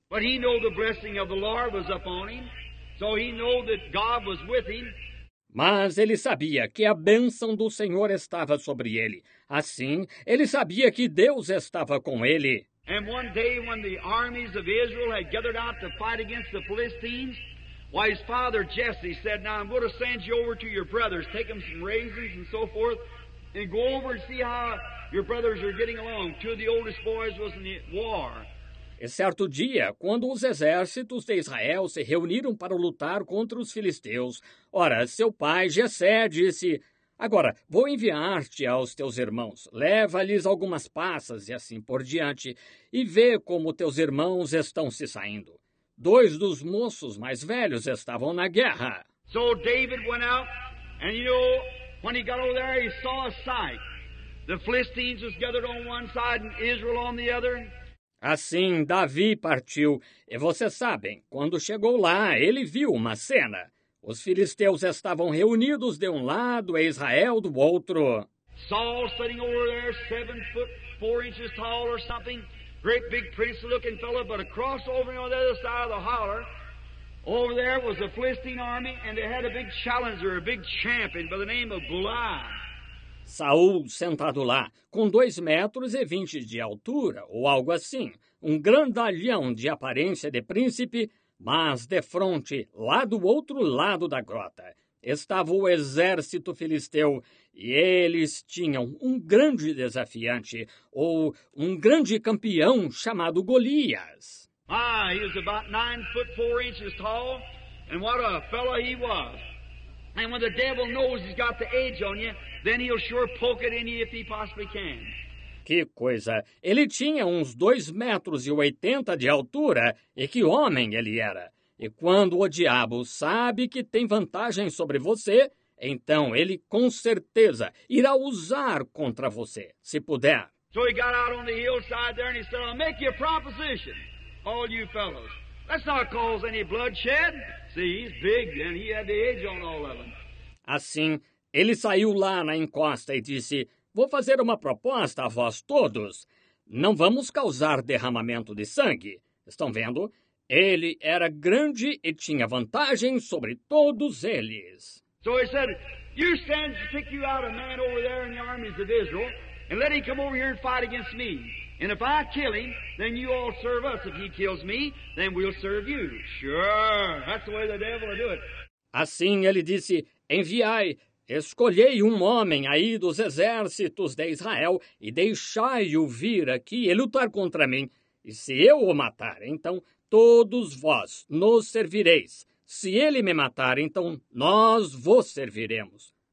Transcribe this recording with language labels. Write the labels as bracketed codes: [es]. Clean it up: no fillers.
[en] But he knew the blessing of the Lord was upon him, so he knew that God was with him. [pt] Mas ele sabia que a bênção do Senhor estava sobre ele. Assim, ele sabia que Deus estava com ele. [en] And one day when the armies of Israel had gathered out to fight against the Philistines, why, his father Jesse said, now I'm going to send you over to your brothers, take them some raisins and so forth, and go over and see how your brothers are getting along. Two of the oldest boys was in the war. [pt] E certo dia, quando os exércitos de Israel se reuniram para lutar contra os filisteus, ora, seu pai Jesse disse, agora, vou enviar-te aos teus irmãos. Leva-lhes algumas passas e assim por diante, e vê como teus irmãos estão se saindo. Dois dos moços mais velhos estavam na guerra. [en] So David went out, and you know, when he got over there, he saw a sight. The Philistines was gathered on one side and Israel on the other. [pt] Assim, Davi partiu. E vocês sabem, quando chegou lá, ele viu uma cena. Os filisteus estavam reunidos de um lado e Israel do outro. [en] Saul sitting over there, 7 foot 4 inches tall or something, great big priestly looking fellow, but across over on the other side of the holler, over there was a Philistine army, and they had a big challenger, a big champion by the name of Goliath. [pt] Saul sentado lá, com 2 metros e 20 de altura, ou algo assim, um grandalhão de aparência de príncipe. Mas de fronte, lá do outro lado da grota, estava o exército filisteu, e eles tinham um grande desafiante, ou um grande campeão chamado Golias. [en] Ah, he was about 9 foot 4 inches tall, and what a fellow he was. And when the devil knows he's got the edge on you, then he'll sure poke it in you if he possibly can. [pt] Que coisa! Ele tinha uns 2,80 metros de altura, e que homem ele era. E quando o diabo sabe que tem vantagem sobre você, então ele com certeza irá usar contra você, se puder. [en] So he got out on the hillside there and he said, I'll make you a proposition, all you fellows. Let's not cause any bloodshed. See, he's big and he had the edge on all of them. [pt] Assim, ele saiu lá na encosta e disse, vou fazer uma proposta a vós todos. Não vamos causar derramamento de sangue. Estão vendo? Ele era grande e tinha vantagem sobre todos eles. [en] So he said, you send to pick you out a man over there in the armies of Israel and let him come over here and fight against me. And if I kill him, then you all serve us. If he kills me, then we'll serve you. Sure, that's the way the devil will do it. [pt] Assim ele disse, enviai. Escolhei um homem aí dos exércitos de Israel e deixai-o vir aqui e lutar contra mim. E se eu o matar, então todos vós nos servireis. Se ele me matar, então nós vos serviremos.